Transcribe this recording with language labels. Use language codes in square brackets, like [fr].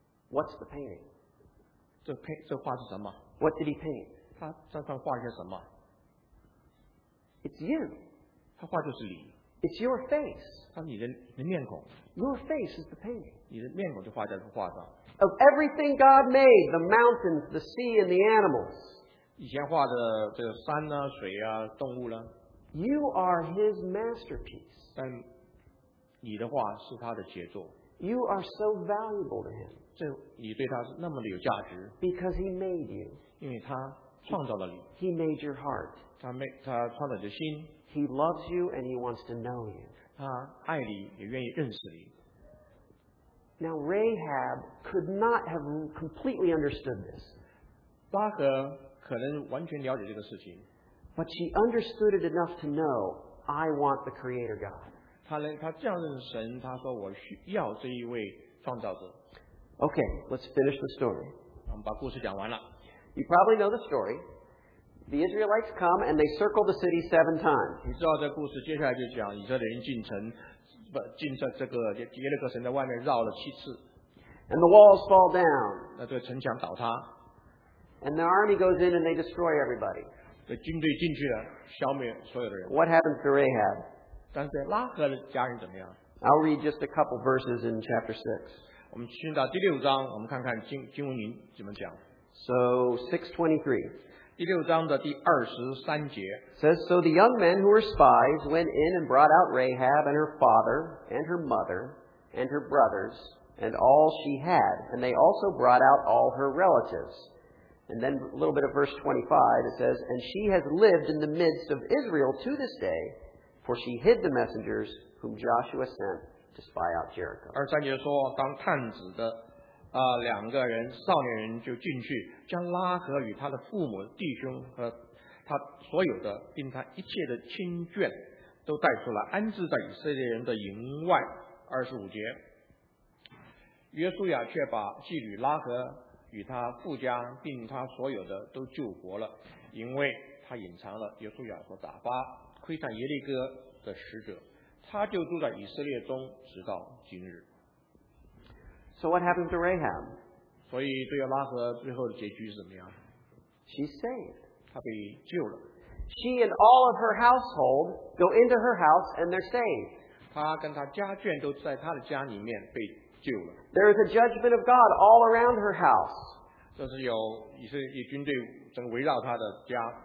[en] What's the painting? [zh] 这画是什么? [en] What did he paint? [zh] 他上画些什么? [en] It's you. [zh] 他画就是你。 [en] It's your face. [zh] 他你的面孔。 [en] Your face is the painting. [zh] 你的面孔就画在这幅画上。 [en] Of everything God made, the mountains, the sea, and the animals. [zh] 以前画的这个山啊、水啊、动物啦。 [en] You are His masterpiece. [zh] 但你的画是他的杰作。 [en] You are so valuable to Him. [zh] 这你对他是那么的有价值。 [en] Because He made you. [zh] 因为他创造了你。 [en] He made your heart. [zh] 他创造你的心。 [en] He loves you and He wants to know you. [zh] 他爱你，也愿意认识你。 [en] Now Rahab could not have completely understood this. [zh] 巴格可能完全了解这个事情, [en] but she understood it enough to know, I want the Creator God. [zh] 她这样认识神，她说我需要这一位创造者。 [en] Okay, let's finish the story. [zh] 我们把故事讲完了。 [en] You probably know the story. The Israelites come and they circle the city 7 times. [zh] 你知道这故事接下来就讲以色列人进城。进在这个耶路撒冷的外面绕了七次, [en] and the walls fall down. [zh] 那这个城墙倒塌, [en] and the army goes in and they destroy everybody. [zh] 军队进去了，消灭所有的人。 [en] What happens to Rahab? [zh] 但是拉合的家人怎么样? [en] I'll read just a couple verses in chapter 6. [zh] 我们进到第六章，我们看看经文里怎么讲。 [en] So 6:23. [zh] 第六章的第23节 [en] says, So the young men who were spies went in and brought out Rahab and her father and her mother and her brothers and all she had. And they also brought out all her relatives. And then a little bit of verse 25, it says, And she has lived in the midst of Israel to this day, for she hid the messengers whom Joshua sent to spy out Jericho. [zh] 23节说，当探子的 两个人少年人就进去将拉合与他的父母弟兄和他所有的并他一切的亲眷都带出来安置在以色列人的营外。25节，约书亚却把妓女拉合与他父家并他所有的都救活了，因为他隐藏了约书亚所打发窥探耶利哥的使者，他就住在以色列中直到今日。 [en] So what happened to Rahab? [zh] 所以对拉合最后的结局是怎么样? [en] She's saved. [zh] 她被救了。 [en] She and all of her household go into her house and they're saved. [zh] 她跟她家眷都在她的家里面被救了。 [en] There is a judgment of God all around her house. [zh] 这是有以色列军队正围绕她的家。